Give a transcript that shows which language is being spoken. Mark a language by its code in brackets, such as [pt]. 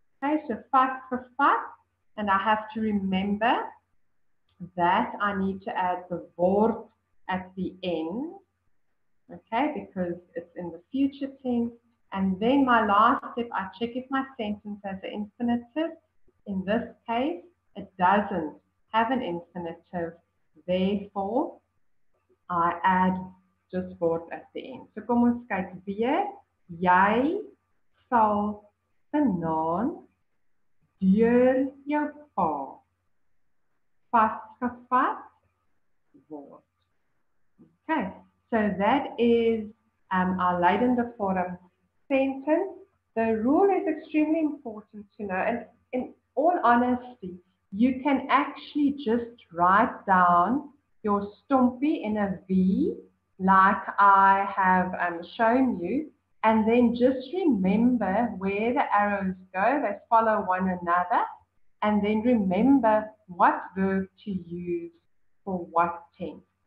[en] Okay, so vat vir vat, and I have to remember that I need to add the word at the end, okay, because it's in the future tense. And then my last step, I check if my sentence has an infinitive. In this case, it doesn't have an infinitive. Therefore, I add just word at the end. [af] So kom ons kyk weer. Jy sal vanaand deur jou pa vasgevat word. [en] Okay, so that is our Lydende forum sentence. The rule is extremely important to know, and in all honesty, you can actually just write down your stompie in a V, like I have shown you, and then just remember where the arrows go, they follow one another, and then remember what verb to use for what tense.